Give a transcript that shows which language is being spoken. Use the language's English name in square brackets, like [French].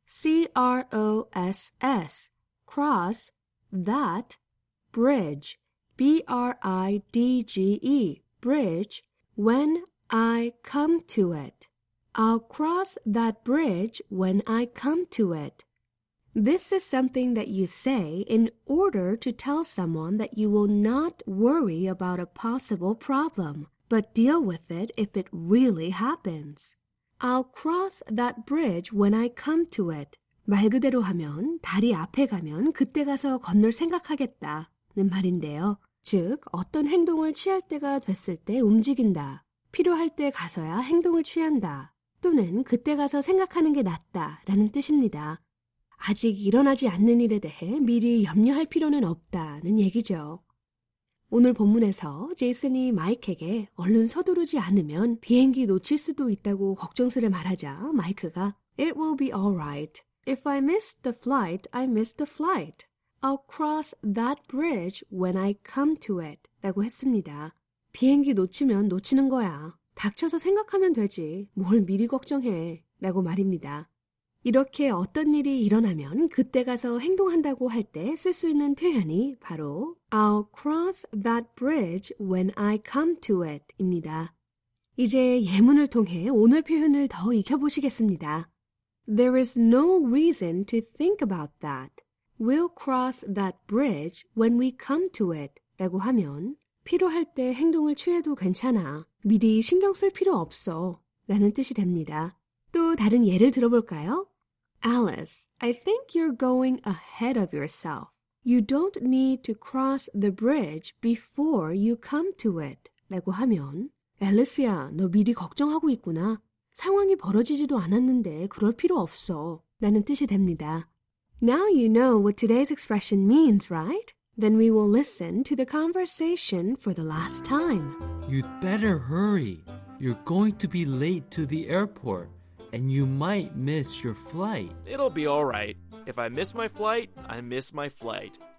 [English] C-R-O-S-S, cross that bridge, B-R-I-D-G-E, bridge, when I come to it. I'll cross that bridge when I come to it. This is something that you say in order to tell someone that you will not worry about a possible problem, but deal with it if it really happens. I'll cross that bridge when I come to it. [Korean] 말 그대로 하면 다리 앞에 가면 그때 가서 건널 생각하겠다는 말인데요. 즉, 어떤 행동을 취할 때가 됐을 때 움직인다. 필요할 때 가서야 행동을 취한다. 또는 그때 가서 생각하는 게 낫다라는 뜻입니다. 아직 일어나지 않는 일에 대해 미리 염려할 필요는 없다는 얘기죠. 오늘 본문에서 제이슨이 마이크에게 얼른 서두르지 않으면 비행기 놓칠 수도 있다고 걱정스레 말하자 마이크가 [English] It will be alright. If I miss the flight, I miss the flight. I'll cross that bridge when I come to it. [Korean] 라고 했습니다. 비행기 놓치면 놓치는 거야. 닥쳐서 생각하면 되지. 뭘 미리 걱정해. 라고 말입니다. 이렇게 어떤 일이 일어나면 그때 가서 행동한다고 할 때 쓸 수 있는 표현이 바로 [English] I'll cross that bridge when I come to it [Korean] 입니다. 이제 예문을 통해 오늘 표현을 더 익혀보시겠습니다. [English] There is no reason to think about that. We'll cross that bridge when we come to it [Korean] 라고 하면 필요할 때 행동을 취해도 괜찮아. 미리 신경 쓸 필요 없어 라는 뜻이 됩니다. 또 다른 예를 들어볼까요? [English] Alice, I think you're going ahead of yourself. You don't need to cross the bridge before you come to it. [Korean] 라고 하면 [English] Alice야, [Korean] 너 미리 걱정하고 있구나. 상황이 벌어지지도 않았는데 그럴 필요 없어. 라는 뜻이 됩니다. [English] Now you know what today's expression means, right? Then we will listen to the conversation for the last time. You'd better hurry. You're going to be late to the airport. And you might miss your flight. It'll be all right. If I miss my flight, I miss my flight.